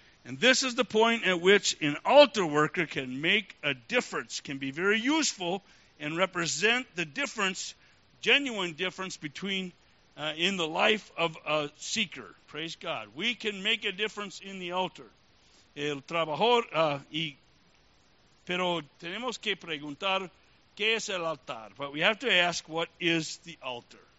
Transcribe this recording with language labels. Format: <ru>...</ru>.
<en>And this is the point at which an altar worker can make a difference, can be very useful and represent the difference, genuine difference between in the life of a seeker. Praise God. We can make a difference in the altar.</en> <es>El trabajador, pero tenemos que preguntar, ¿qué es el altar?</es> <en>But we have to ask, what is the altar?</en>